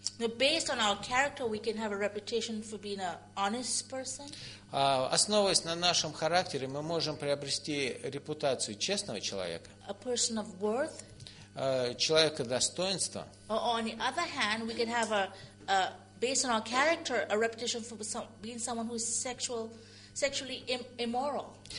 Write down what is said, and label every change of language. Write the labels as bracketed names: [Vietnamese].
[English] Based on our character, we can have a reputation for being an honest person. [Russian] Основываясь на нашем характере, мы можем приобрести репутацию честного человека. [English] A person of worth. [Russian] Человека достоинства. [English] Or on the other hand, we can have based on our character, a reputation for being someone who is sexually immoral.